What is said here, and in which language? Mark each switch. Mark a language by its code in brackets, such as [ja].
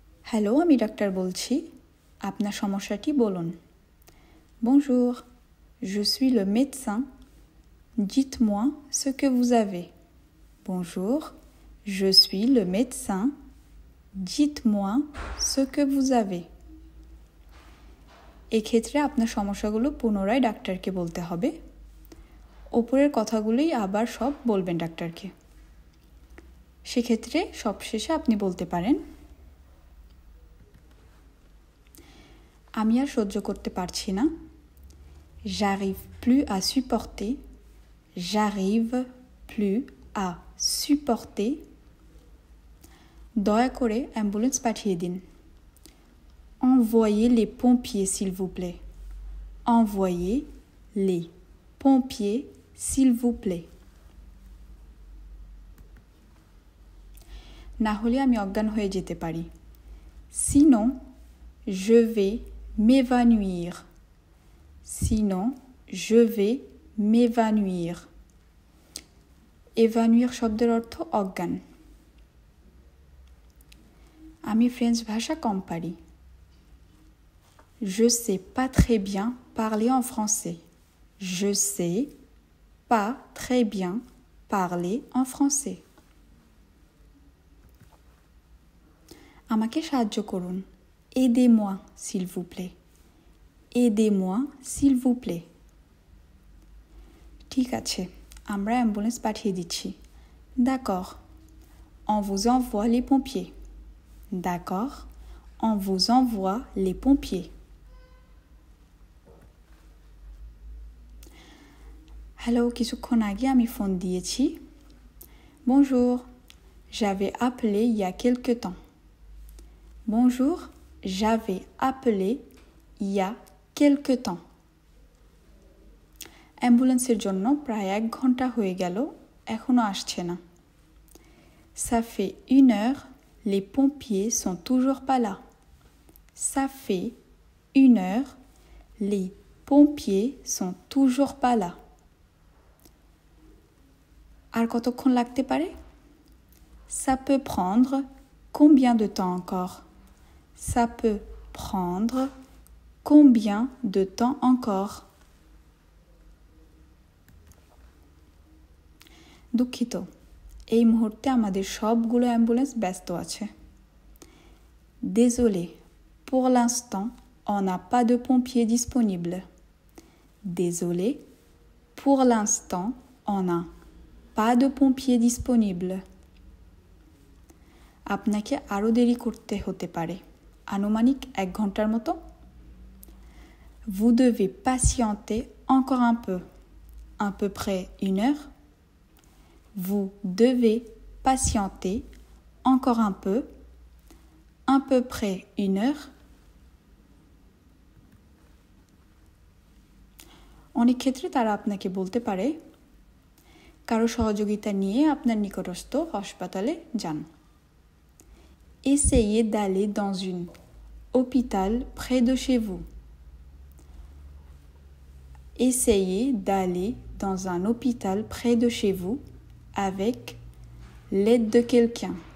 [bn] Hello, আমি doctor বলছি, আপনার সমস্যাটি বলুন। [fr] Bonjour, je suis le médecin. Dites-moi ce que vous avez. Bonjour, je suis le médecin. Dites-moi ce que vous avez. [bn] এক্ষেত্রে আপনার সমস্যাগুলো পুনরায় ডাক্তারকে বলতে হবে। ওপরের কথাগুলোই আবার সব বলবেন ডাক্তারকে। সেক্ষেত্রে সবশেষে আপনি বলতে পারেন, আমি আর সহ্য করতে পারছি না। [fr] J'arrive plus à supporter. J'arrive plus à supporter. [bn] দয়া করে অ্যাম্বুলেন্স পাঠিয়ে দিন। [fr] Envoyez les pompiers, s'il vous plaît. Envoyez les pompiers, s'il vous plaît. [bn] না হলে আমি অজ্ঞান হয়ে যেতে পারি। [fr] Sinon, je vais m'évanouir. Sinon, je vais m'évanouir. [bn] Évanouir শব্দের অর্থ অজ্ঞান। আমি ফ্রেঞ্চ ভাষা কম পারি। [fr] Je sais pas très bien parler en français. Je sais pas très bien parler en français. [bn] আমাকে সাহায্য করুন। [fr] Aidez-moi, s'il vous plaît. Aidez-moi, s'il vous plaît. [bn] ঠিক আছে, আমরা অ্যাম্বুলেন্স পাঠিয়ে দিচ্ছি। [fr] D'accord. On vous envoie les pompiers. D'accord. On vous envoie les pompiers. [bn] Hello, কিছুক্ষণ আগে আমি ফোন দিয়েছি। [fr] Bonjour. J'avais appelé il y a quelque temps. Bonjour. J'avais appelé il y a quelque temps. [bn] অ্যাম্বুলেন্সের জন্য প্রায় এক ঘন্টা হয়ে গেল, এখনো আসছে না। [fr] Ça fait une heure, les pompiers sont toujours pas là. Ça fait une heure, les pompiers sont toujours pas là. [bn] আর কতক্ষণ লাগতে পারে? [fr] Ça peut prendre combien de temps encore? Ça peut prendre combien de temps encore? [bn] দুঃখিত, এই মুহূর্তে আমাদের সবগুলো ambulance ব্যস্ত আছে। [fr] Désolé, pour l'instant, on n'a pas de pompiers disponibles. Désolé, pour l'instant, on n'a pas de pompiers disponibles. [bn] আপনাকে আরও দেরি করতে হতে পারে, আনুমানিক এক ঘন্টার মতো। [fr] Vous devez patienter encore un peu, à peu près une heure. Vous devez patienter encore un peu, à peu près une heure. [bn] অনেক ক্ষেত্রে তারা আপনাকে বলতে পারে, কারো সহযোগিতা নিয়ে আপনার নিকটস্থ হাসপাতালে যান। [fr] Essayez d'aller dans une hôpital près de chez vous. Essayez d'aller dans un hôpital près de chez vous avec l'aide de quelqu'un.